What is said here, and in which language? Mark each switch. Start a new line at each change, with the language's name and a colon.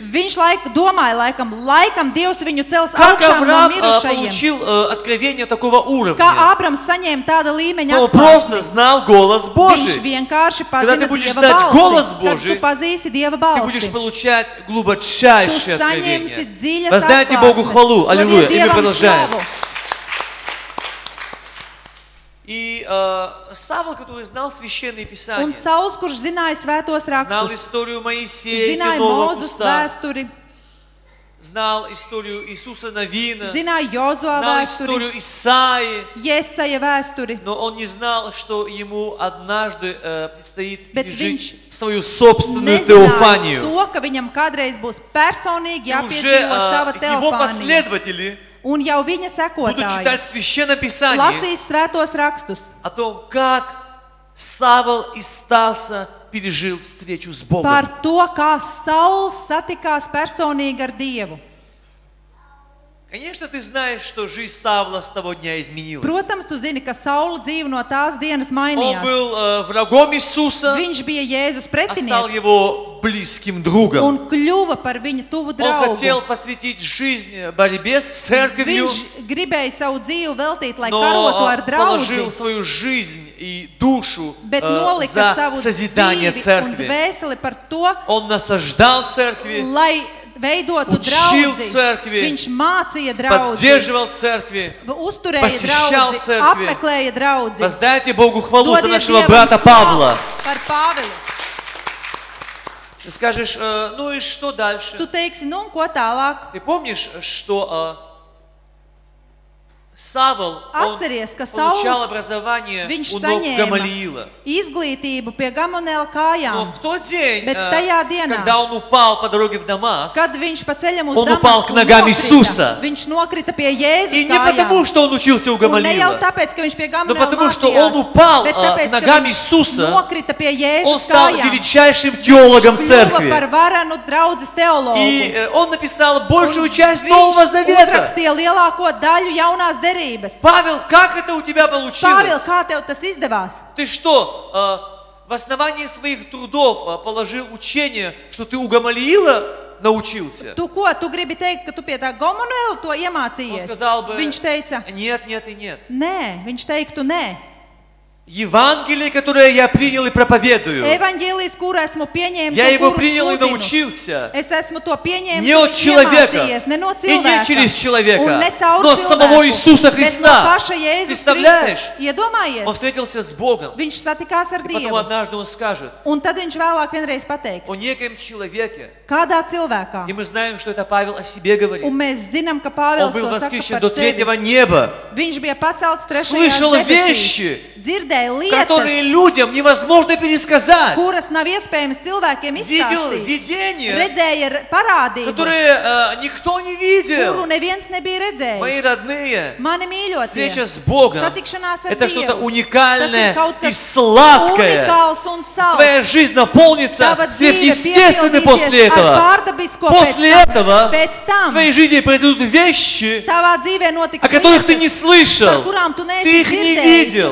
Latvian: Viņš domāja laikam Dievs viņu cels augšām no mirušajiem.
Russian: Как Авраам получил откровение такого уровня?
Latvian: Kā Ābrams saņēma tāda līmeņa atklāsmi?
Russian: Просто знал голос Божий.
Latvian: Viņš vienkārši pazina Dieva balsi.
Russian: Когда ты будешь знать голос Божий,
Latvian: kad tu pazīsi Dieva balsi,
Russian: ты будешь получать глубочайшее откровение.
Latvian: Tu saņemsi dziļas atklāsmes.
Russian: Воздайте Богу хвалу. Аллилуйя. И мы продолжаем. И Савл, который знал священные писания.
Latvian: Un Sauls, kurš zināja svētos rakstus.
Russian: Знал историю Моисея.
Latvian: Zināja Mozus vēsturi.
Russian: Знал историю Иисуса Навина.
Latvian: Zināja Jozua vēsturi.
Russian: Знал историю Исаии.
Latvian: Jesaja vēsturi.
Russian: Но он не знал, что ему однажды предстоит пережить свою собственную теофанию.
Latvian: То, ka viņam kādreiz būs personīgi jāpiedzīvo sava teofānija.
Russian: Его последователи.
Latvian: Un jau viņa sekotāji lasīs svētos rakstus
Russian: о том, как Савл и Стаса пережил встречу с Богом.
Latvian: Par to, kā Sauls satikās personīgi ar Dievu.
Russian: Конечно, ты знаешь, что жизнь Савла с того дня изменилась.
Latvian: Protams, tu zini, ka Saula dzīve no tās dienas mainījās.
Russian: Он был врагом Иисуса.
Latvian: Viņš bija Jēzus pretinieks.
Russian: А стал его близким другом.
Latvian: Un kļuva par viņa tuvu draugu.
Russian: Он хотел посвятить жизнь борьбе с церковью.
Latvian: Viņš gribēja savu dzīvi veltīt, lai karotu ar draugu.
Russian: Но положил свою жизнь и душу
Latvian: Bet nolika savu
Russian: созидание церкви.
Latvian: Un dvēseli par to.
Russian: Он насаждал церкви.
Latvian: Lai veidotu draudzi,
Russian: церкви,
Latvian: viņš mācīja draudzi,
Russian: поддерживал церкви,
Latvian: uzturēja draudzi,
Russian: церкви,
Latvian: apmeklēja draudzi.
Russian: Воздайте Богу хвалу за нашего брата Павла.
Latvian: Par Pāvilu.
Russian: Скажешь, ну и что дальше?
Latvian: Tu teiksi, nu un ko tālāk?
Russian: Ты помнишь, что Савл,
Latvian: Atceries,
Russian: он получал образование у ног Гамалиила.
Latvian: Izglītību pie Gamonela kājām.
Russian: Но в тот день,
Latvian: Bet tajā dienā,
Russian: когда он упал по дороге в Дамаск,
Latvian: kad viņš pa ceļam uz
Russian: он упал к ногам Иисуса.
Latvian: Viņš nokrita pie Jēzus
Russian: И
Latvian: kājām.
Russian: Не потому, что он учился у Гамалиила.
Latvian: Un ne jau tāpēc, ka viņš pie Gamonela
Russian: но потому, что он упал к ногам Иисуса.
Latvian: Nokrita pie Jēzus
Russian: он стал
Latvian: kājām.
Russian: Величайшим теологом церкви.
Latvian: Par varenu draudzes teologu.
Russian: И он написал большую часть Нового Завета.
Latvian: Viņš uzrakstīja lielāko daļu jaunās Derības.
Russian: Павел, как это у тебя получилось?
Latvian: Павел, kā tev tas izdevās?
Russian: Ты что, в основании своих трудов положил учение, что ты у Гамалиила научился?
Latvian: Tu ko, tu gribi teikt, ka tu pie tā Gamaliela to iemācījies?
Russian: Он сказал бы,
Latvian: viņš teica,
Russian: нет, нет и нет.
Latvian: Nē, viņš teiktu, nē.
Russian: Евангелие, которое я принял и проповедую. Евангелие, которое я принял и проповедую. Я его принял и научился. Не от человека. И не через человека. Но от самого Иисуса Христа. Представляешь? Он встретился с Богом. И потом однажды он скажет. О неком человеке.
Latvian: Kādā cilvēkā?
Russian: И мы знаем, что это Павел о себе говорит.
Latvian: Un mēs zinām, ka Pāvils
Russian: Он был воскрешен до третьего неба.
Latvian: Viņš bija pacelts trešajā debesīs.
Russian: Слышал вещи,
Latvian: dzirdēja lietas,
Russian: которые людям невозможно пересказать.
Latvian: Kuras nav iespējams cilvēkiem izstāstīt.
Russian: Видения,
Latvian: redzēja parādību,
Russian: которые никто не видел.
Latvian: Kuru neviens nebija redzējis.
Russian: Мои родные,
Latvian: mani mīļotie,
Russian: встреча с Богом,
Latvian: satikšanās ar
Russian: это
Latvian: Dievu,
Russian: что-то уникальное и сладкое. Твоя жизнь наполнится сверхъестественным после этого. После этого в твоей жизни произойдут вещи, о которых ты не слышал, ты их не видел.